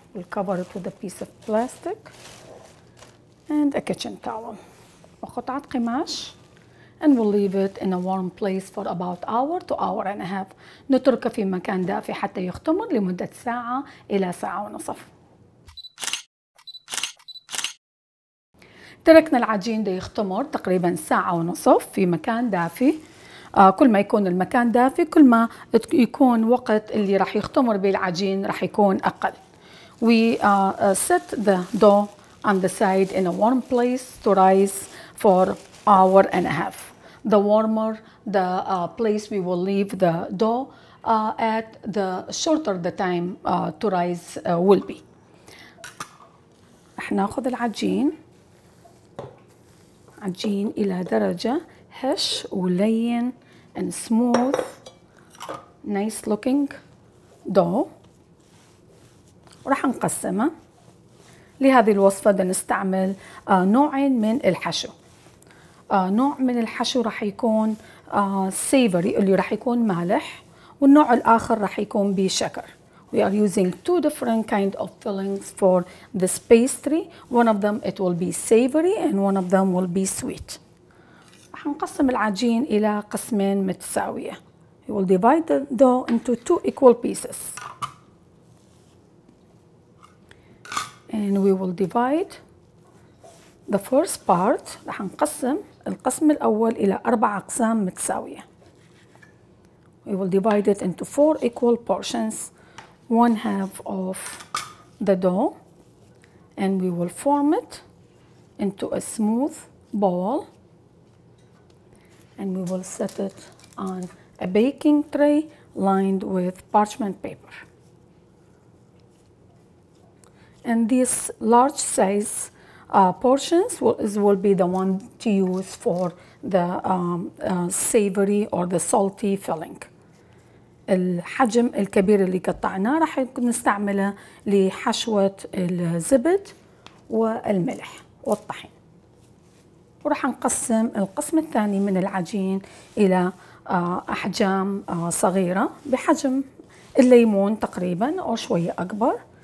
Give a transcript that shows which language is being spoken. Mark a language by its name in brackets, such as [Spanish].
[English] We'll cover it with a piece of plastic and a kitchen towel. [Arabic] وقطعة قماش [English] and we'll leave it in a warm place for about hour to hour and a half. [Arabic] نتركه في مكان دافي حتى يختمر لمدة ساعة إلى ساعة ونصف. تركنا العجين ده يختمر تقريبا ساعة ونصف في مكان دافي. كل ما يكون المكان دافي كل ما يكون وقت اللي راح يختمر به العجين راح يكون أقل. [English] We set the dough on the side in a warm place to rise for hour and a half. The warmer the place we will leave the dough at, the shorter the time to rise will be. [Arabic] رح ناخذ العجين عجين إلى درجة هش ولين [English] and smooth, nice looking dough. [Arabic] ورح نقسمه. لهذه الوصفة نستعمل نوعين من الحشو. نوع من الحشو رح يكون savory اللي رح يكون مالح، والنوع الآخر رح يكون بشكر. [English] We are using two different kind of fillings for this pastry. One of them it will be savory and one of them will be sweet. [Arabic] رح نقسم العجين إلى قسمين متساوية. [English] We will divide the dough into two equal pieces. And we will divide the first part. [Arabic] رح نقسم القسم الأول إلى أربع أقسام متساوية. [English] We will divide it into four equal portions. One half of the dough. And we will form it into a smooth ball. And we will set it on a baking tray lined with parchment paper. And these large size portions will be the one to use for the savory or the salty filling. [Arabic] الحجم الكبير اللي قطعناه راح نستعمله لحشوة الزبد والملح والطحين. وراح نقسم القسم الثاني من العجين إلى أحجام صغيرة بحجم الليمون تقريبا أو شوية أكبر.